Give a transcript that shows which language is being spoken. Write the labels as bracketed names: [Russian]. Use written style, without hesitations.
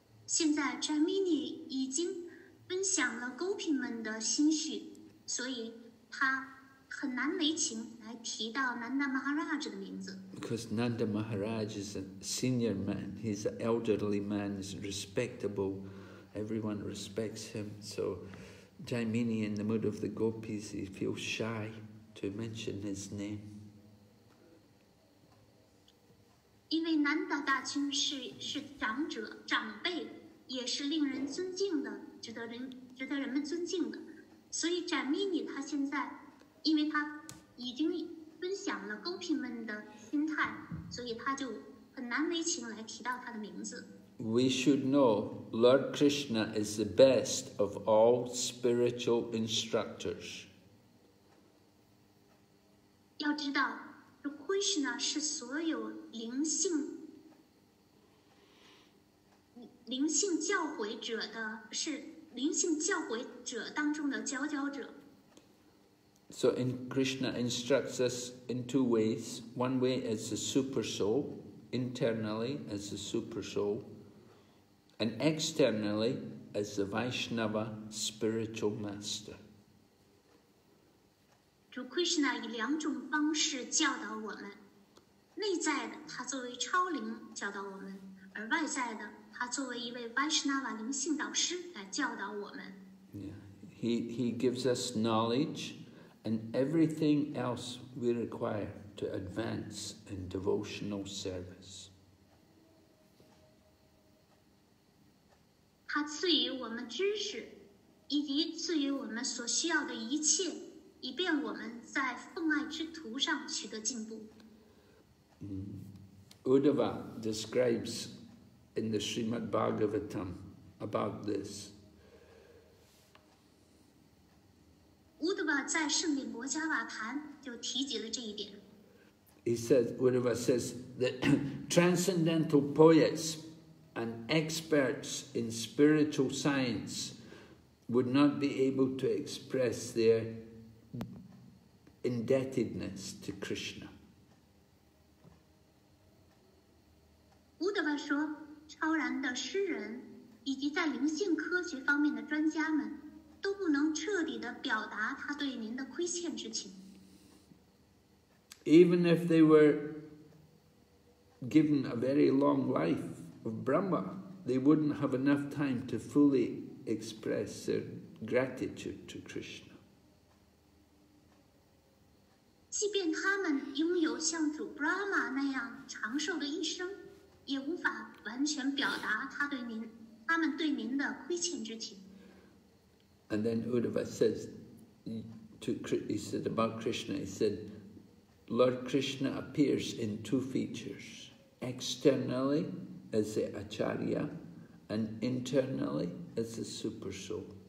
[Chinese] 现在 Jamini 已经分享了 Gopi 们的心绪，所以他很难为情来提到 Nanda Maharaj 的名字。 [English] Because Nanda Maharaj is a senior man, he's an elderly man, he's respectable, everyone respects him. So Jamini, in the mood of the Gopis, he feels shy to mention his name. [Chinese] 因为 Nanda 大清是长者长辈，也是令人尊敬的，值得人们尊敬的。所以 Jamini 他现在，因为他已经分享了高品们的心态，所以他就很难为情来提到他的名字。 [English] We should know Lord Krishna is the best of all spiritual instructors. [Chinese] 要知道 ，Krishna 是所有灵性教诲者的，是灵性教诲者当中的佼佼者。 [English] So in Krishna instructs us in two ways. One way is the super soul, internally as the super soul, and externally as the Vaishnava spiritual master. [Chinese] 主 Krishna 以两种方式教导我们，内在的他作为超灵教导我们，而外在的他作为一位 Vaishnava 灵性导师来教导我们。 [English] Yeah. He gives us knowledge. And everything else we require to advance in devotional service. [Chinese] 他赐予我们知识，以及赐予我们所需要的一切，以便我们在奉爱之途上取得进步。 [English] Uddhava describes in the Srimad Bhagavatam about this. [Chinese] Uddhava 在圣顶摩迦瓦坛就提及了这一点。 [English] He says, Uddhava says that transcendental poets and experts in spiritual science would not be able to express their indebtedness to Krishna. [Chinese] Uddhava 说，超然的诗人以及在灵性科学方面的专家们。都不能彻底地表达他对您的亏欠之情。 [English] Even if they were given a very long life of Brahma, they wouldn't have enough time to fully express their gratitude to Krishna. [Chinese] 即便他们拥有像主 Brahma 那样长寿的一生，也无法完全表达他们对您的亏欠之情。 [English] And then Uddhava says, he said about Krishna, he said, Lord Krishna appears in two features, externally as the Acharya and internally as the Super Soul.